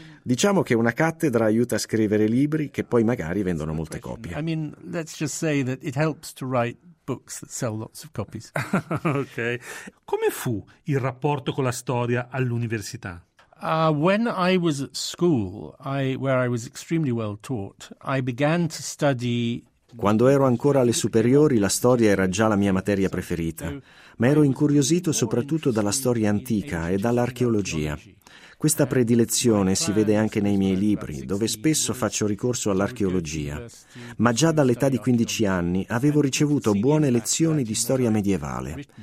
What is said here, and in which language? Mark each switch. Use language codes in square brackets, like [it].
[it] Diciamo che una cattedra aiuta a scrivere libri che poi magari vendono molte copie. [en] I mean, let's just say that it helps to write books that sell lots of copies. Okay. [it] Come fu il rapporto con la storia all'università? [en] When I was at school, where I was extremely well taught, I began to study. [it] Quando ero ancora alle superiori, la storia era già la mia materia preferita, ma ero incuriosito soprattutto dalla storia antica e dall'archeologia. Questa predilezione si vede anche nei miei libri, dove spesso faccio ricorso all'archeologia. Ma già dall'età di 15 anni avevo ricevuto buone lezioni di storia medievale.